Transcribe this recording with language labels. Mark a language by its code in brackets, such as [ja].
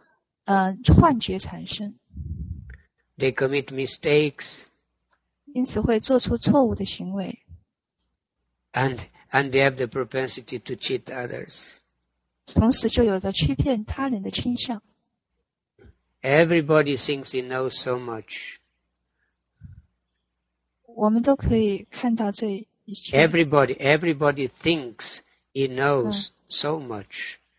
[zh] 由于感官不完美，所以就会有幻觉产生。 [en] They commit mistakes. [zh] 因此会做出错误的行为。 [en] And they have the propensity to cheat others. [zh] 同时就有着欺骗他人的倾向。 [en] Everybody thinks he knows so much. [zh] 我们都可以看到这一切。 [en] Everybody thinks he knows so much.